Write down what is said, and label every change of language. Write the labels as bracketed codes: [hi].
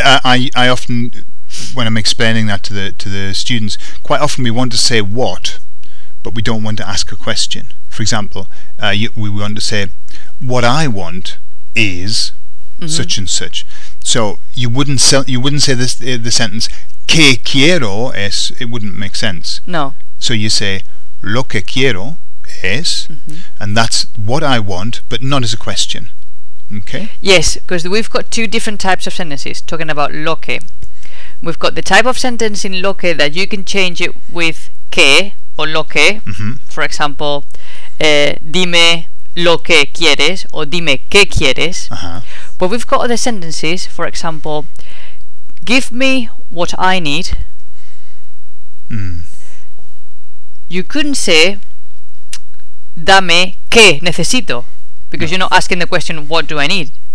[en] I often, when I'm explaining that to the students, quite often we want to say what, but we don't want to ask a question. For example, we want to say, what I want is mm-hmm. such and such. So you wouldn't say this the sentence, [es] que quiero es, [en] it wouldn't make sense. No. So you say, [es] lo que quiero es, [en] mm-hmm. and that's what I want, but not as a question. Okay. Yes, because we've got two different types of sentences talking about [es] lo que. [en] We've got the type of sentence in [es] lo que [en] that you can change it with que or lo que. Mm-hmm. For example, [es] dime lo que quieres or dime qué quieres. [en] Uh-huh. But we've got other sentences, for example, give me what I need. Mm. You couldn't say [es] dame qué necesito. [en] Because you're not asking the question, what do I need?